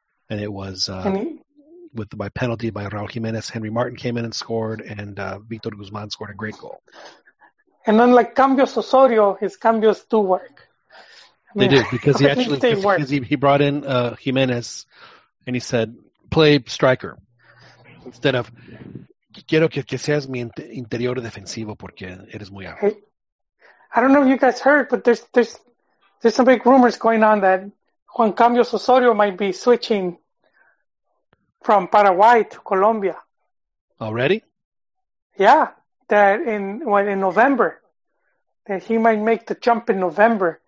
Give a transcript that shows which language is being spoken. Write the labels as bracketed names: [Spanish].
[English] And it was by penalty by Raul Jimenez. Henry Martin came in and scored, and Victor Guzman scored a great goal. And unlike Cambios Osorio, his cambios do work. They did, because he actually he brought in Jimenez, and he said, "Play striker." instead of [Spanish] quiero que seas mi interior defensivo porque eres muy alto. [English] I don't know if you guys heard, but there's some big rumors going on that Juan Carlos Osorio might be switching from Paraguay to Colombia. Already? Yeah, that in November, that he might make the jump in November.